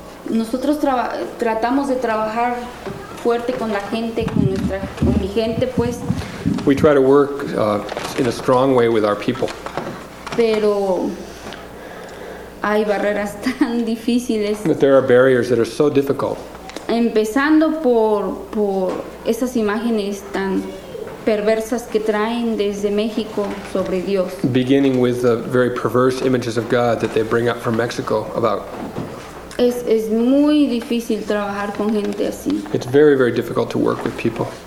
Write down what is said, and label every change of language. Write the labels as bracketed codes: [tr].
[es] nosotros tratamos de trabajar fuerte con la gente, con nuestra con mi gente, pues. [en] We try to work in a strong way with our people. [es] Pero hay barreras tan difíciles. [en] But there are barriers that are so difficult. [es] Empezando por esas imágenes tan perversas que traen desde México sobre Dios. [en] Beginning with the very perverse images of God that they bring up from Mexico about. [es] Es muy difícil trabajar con gente así. [en] It's very, very difficult to work with people